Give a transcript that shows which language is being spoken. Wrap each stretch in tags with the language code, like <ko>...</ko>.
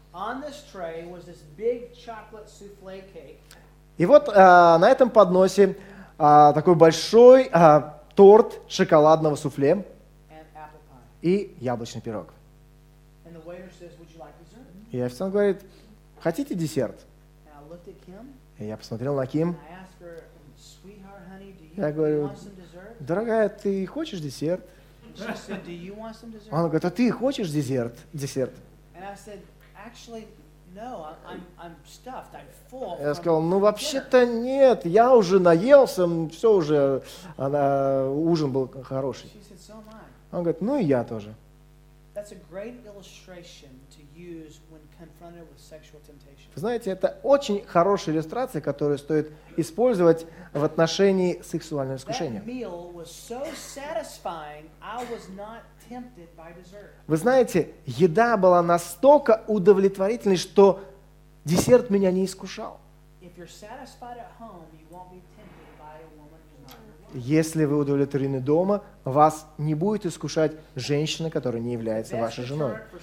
<en>On this tray was this big chocolate souffle cake.</en> <ru>И вот на этом подносе такой большой торт шоколадного суфле и яблочный пирог.</ru> <en>And the waiter says, "Would you like dessert?"</en> <ru>И официант говорит, хотите десерт?</ru> <en>And I looked at Kim,</en> <ru>и я посмотрел на Ким.</ru> <en>And I asked her, "Sweetheart, honey, do you</en> <ru>я говорю,</ru> <en>want some dessert?"</en> <ru>Дорогая, ты хочешь десерт?</ru> <en>She said, "Do you want some dessert?"</en> <ru>Она говорит, а ты хочешь десерт? Десерт.</ru> <en>And I said, "Actually, no, I'm stuffed, I'm full."</en> <ru>Я сказал, ну вообще-то нет, я уже наелся, все уже, она, ужин был хороший.</ru> <en>She said, "So am I."</en> <ru>Он говорит, ну и я тоже.</ru> <en>That's a great illustration to use when confronted with sexual temptation.</en> <ru>Вы знаете, это очень хорошая иллюстрация, которую стоит использовать в отношении сексуального искушения.</ru> <en>That meal was so satisfying, I was not tempted by dessert.</en> <ru>Вы знаете, еда была настолько удовлетворительной, что десерт меня не искушал.</ru> <en>If you're satisfied at home, you won't be tempted by a woman.</en> <ru>Если вы удовлетворены дома, вас не будет искушать женщина, которая не является вашей женой.</ru>